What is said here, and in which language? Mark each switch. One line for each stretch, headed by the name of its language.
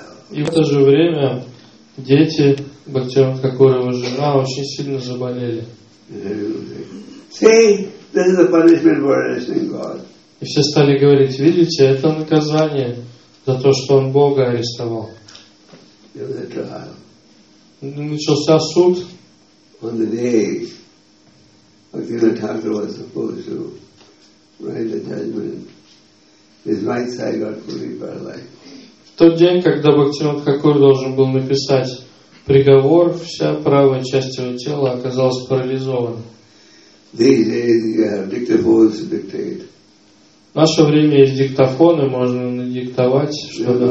Russian: И в то же время дети Бхактивинода Тхакура, его жена, очень сильно заболели. И все стали говорить, видите, это наказание за то, что он Бога арестовал. Начался суд.
English: On the day Bhaktivinoda Thakur was supposed to write the judgment, his right side got fully paralyzed.
Russian: В тот день, когда Бхактивинода Тхакур должен был написать приговор, вся правая часть его тела оказалась парализована.
English: These days you have dictaphones to dictate.
Russian: В наше время есть диктофоны, можно надиктовать. Что-то.